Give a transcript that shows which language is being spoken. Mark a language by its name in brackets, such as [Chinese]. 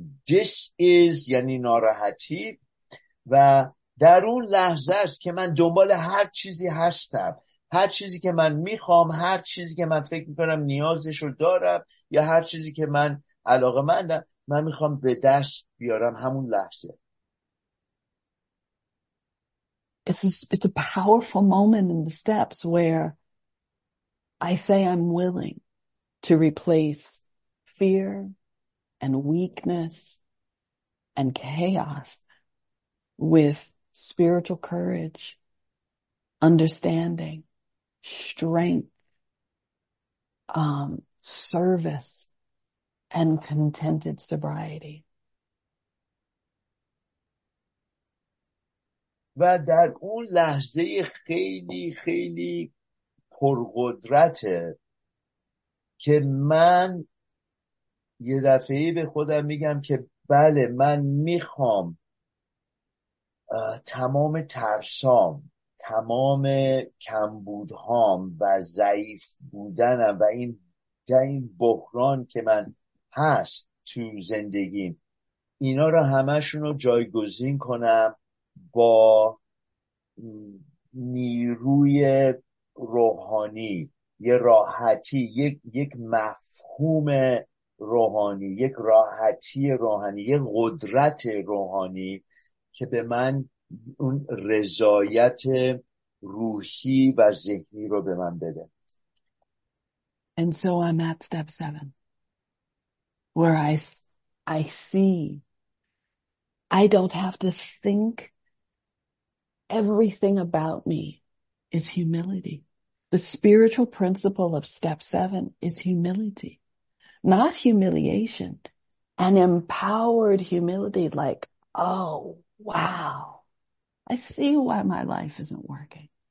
[English] this is [Persian] یعنی ناراحتی، و در اون لحظه است که من دنبال هر چیزی هستم، هر چیزی که من میخوام، هر چیزی که من فکر میکنم نیازش رو دارم یا هر چیزی که من علاقه مندم، من میخوام به دست بیارم همون لحظه. [English] It's a powerful moment in the steps where I say I'm willing to replace fear and weakness and chaos with spiritual courage, understanding, strength, service, and contented sobriety. [Persian] و در اون لحظه خیلی خیلی پرقدرته که من یه دفعه به خودم میگم که بله، من میخوام تمام ترسام، تمام کمبودهام و ضعیف بودنم و این بحران که من هست تو زندگیم، اینا رو همشون رو جایگزین کنم با نیروی روحانی، یه راحتی، یک مفهوم روحانی، یک راحتی روحانی، یک قدرت روحانی که به من اون رضایت روحی و ذهنی رو به من بده. [English] And so I'm at step 7 where I see I don't have to think. Everything about me is humility. The spiritual principle of step 7 is humility, not humiliation, an empowered humility like, oh, wow, I see why my life isn't working.